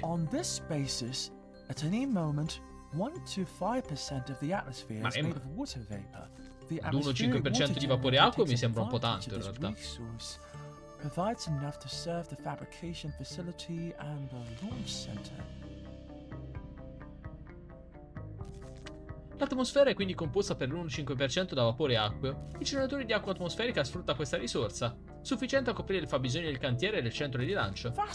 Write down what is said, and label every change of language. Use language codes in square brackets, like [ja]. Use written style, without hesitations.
[en] On this basis, at any moment, 1-5% of the atmosphere is made of water vapor. [it] L'1-5% di vapore acqua mi sembra un po' tanto in realtà. [en] Provides enough to serve the fabrication facility and the launch center. [it] L'atmosfera è quindi composta per l'1-5% da vapore acqueo. Il generatore di acqua atmosferica sfrutta questa risorsa, sufficiente a coprire il fabbisogno del cantiere e del centro di lancio.